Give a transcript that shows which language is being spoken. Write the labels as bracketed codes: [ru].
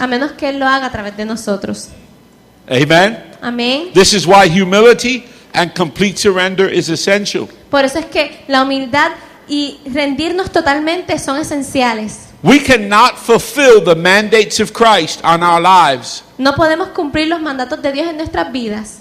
[es] A menos que él lo haga a través de nosotros. [en] Amen. [es] Amén. [en] This is why humility and complete surrender is essential. [es] Por eso es que la humildad y rendirnos totalmente son esenciales. [en] We cannot fulfill the mandates of Christ on our lives. [es] No podemos cumplir los mandatos de Dios en nuestras vidas.